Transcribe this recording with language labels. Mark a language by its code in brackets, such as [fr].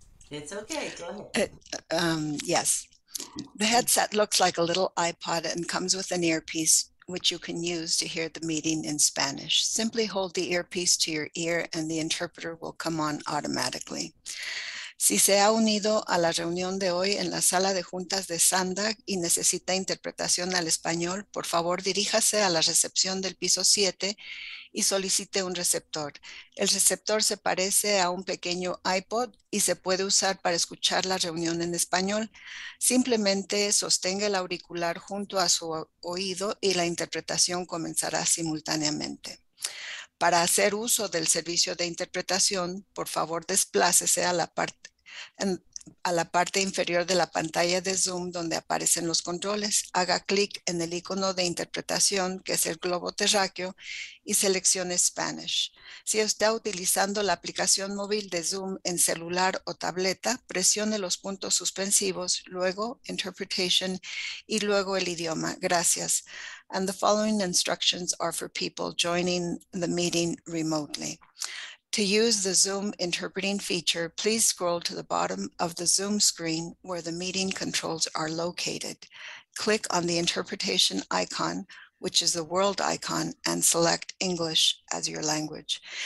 [en] It's okay, go ahead. gosh. Yes. The headset looks like a little iPod and comes with an earpiece, which you can use to hear the meeting in Spanish. Simply hold the earpiece to your ear and the interpreter will come on automatically. [es] Si se ha unido a la reunión de hoy en la sala de juntas de SANDAG y necesita interpretación al español, por favor diríjase a la recepción del piso 7 y solicite un receptor. El receptor se parece a un pequeño iPod y se puede usar para escuchar la reunión en español. Simplemente sostenga el auricular junto a su oído y la interpretación comenzará simultáneamente. Para hacer uso del servicio de interpretación, por favor desplácese a la parte inferior de la pantalla de Zoom donde aparecen los controles. Haga clic en el icono de interpretación, que es el globo terráqueo, y seleccione Spanish. Si está utilizando la aplicación móvil de Zoom en celular o tableta, presione los puntos suspensivos, luego Interpretation y luego el idioma. Gracias. [en] And the following instructions are for people joining the meeting remotely. To use the Zoom interpreting feature, please scroll to the bottom of the Zoom screen where the meeting controls are located. Click on the interpretation icon, which is the world icon, and select English as your language.